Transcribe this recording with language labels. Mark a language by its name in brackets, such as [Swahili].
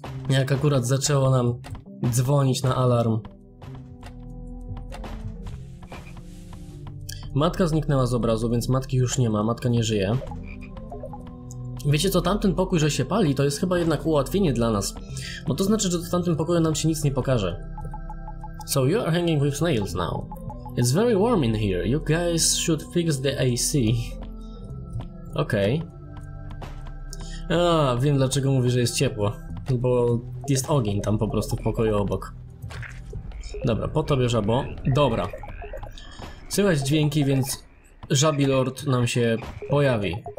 [Polish] Jak akurat zaczęło nam dzwonić na alarm. Matka zniknęła z obrazu, więc matki już nie ma. Matka nie żyje. Wiecie co, tamten pokój, że się pali, to jest chyba jednak ułatwienie dla nas. Bo to znaczy, że w tamtym pokoju nam się nic nie pokaże. [English] So you are hanging with snails now. It's very warm in here. You guys should fix the AC. [Polish] Okej. Okay. A, wiem dlaczego mówi, że jest ciepło. Bo jest ogień tam po prostu w pokoju obok. Dobra, po tobie żabo. Dobra. Słychać dźwięki, więc żabi lord nam się pojawi.